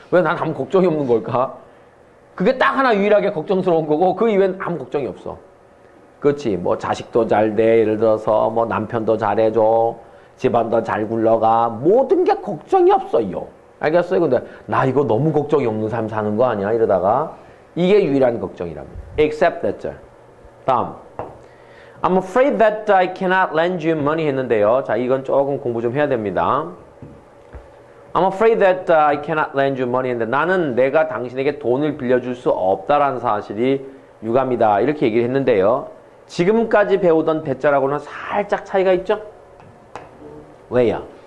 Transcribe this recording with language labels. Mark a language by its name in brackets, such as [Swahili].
[Korean] 왜 난 아무 걱정이 없는 걸까? 그게 딱 하나 유일하게 걱정스러운 거고 그 이외엔 아무 걱정이 없어. 그렇지. 뭐 자식도 잘 돼. 예를 들어서 뭐 남편도 잘해줘. 집안도 잘 굴러가. 모든 게 걱정이 없어요. 알겠어요? 근데 나 이거 너무 걱정이 없는 삶 사는 거 아니야? 이러다가 이게 유일한 걱정이랍니다. [English] Except that [Korean] 절. 다음. [English] I'm afraid that I cannot lend you money [Korean] 했는데요. 자, 이건 조금 공부 좀 해야 됩니다. [English] I'm afraid that I cannot lend you money [Korean] 했는데 나는 내가 당신에게 돈을 빌려줄 수 없다라는 사실이 유감이다. 이렇게 얘기를 했는데요. 지금까지 배우던 that 절하고는 살짝 차이가 있죠? 왜요?